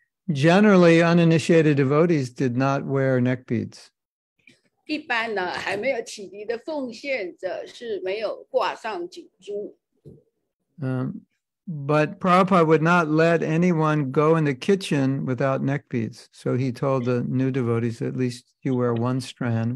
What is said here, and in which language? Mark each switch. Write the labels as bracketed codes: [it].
[en] generally, uninitiated devotees did not wear neck beads. [zh] 一般呢,还没有启迪的奉献者是没有挂上颈珠。 [en] But Prabhupada would not let anyone go in the kitchen without neck beads. So he told the new devotees, at least you wear one strand.